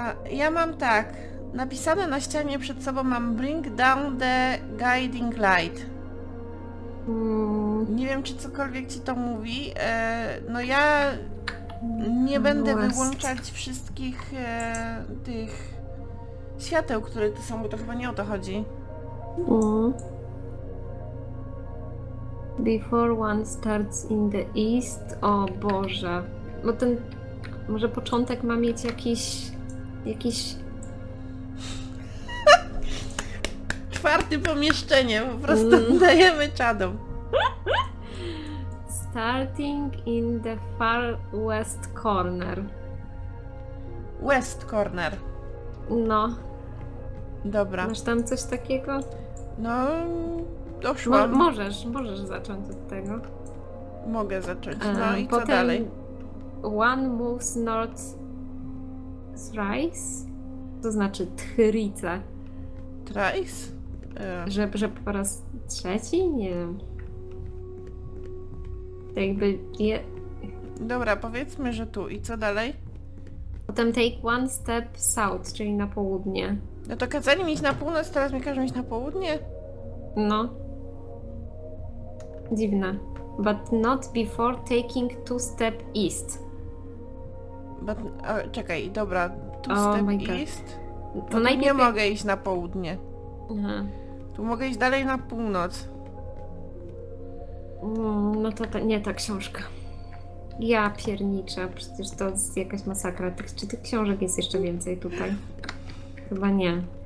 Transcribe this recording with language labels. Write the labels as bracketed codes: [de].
[pl] Ja mam tak, napisane na ścianie przed sobą mam [en] Bring Down the Guiding Light. [pl] Nie wiem, czy cokolwiek ci to mówi. No ja nie będę wyłączać wszystkich tych świateł, które tu są, bo to chyba nie o to chodzi. [en] Before one starts in the east. [pl] O Boże. Bo ten. Może początek ma mieć jakiś. Czwarte pomieszczenie. Po prostu dajemy czadom. [en] Starting in the far west corner. West corner. [pl] No. Dobra. Masz tam coś takiego? No. Doszłam. Możesz zacząć od tego. Mogę zacząć. No i potem co dalej? [en] One moves north thrice? [pl] To znaczy thrice. [en] Thrice? [pl] Że po raz trzeci? Nie wiem. To jakby... Je... Dobra, powiedzmy, że tu. I co dalej? Potem [en] take one step south, [pl] czyli na południe. No to kazali mi iść na północ, teraz mi każą iść na południe? No. Dziwne. [en] But not before taking two step east. But, [pl] czekaj, dobra. [en] Two step east? [pl] God. To najpierw... nie mogę iść na południe. Aha. Tu mogę iść dalej na północ. No to nie ta książka. Ja pierniczę. Przecież to jest jakaś masakra. Czy tych książek jest jeszcze więcej tutaj? Chyba nie.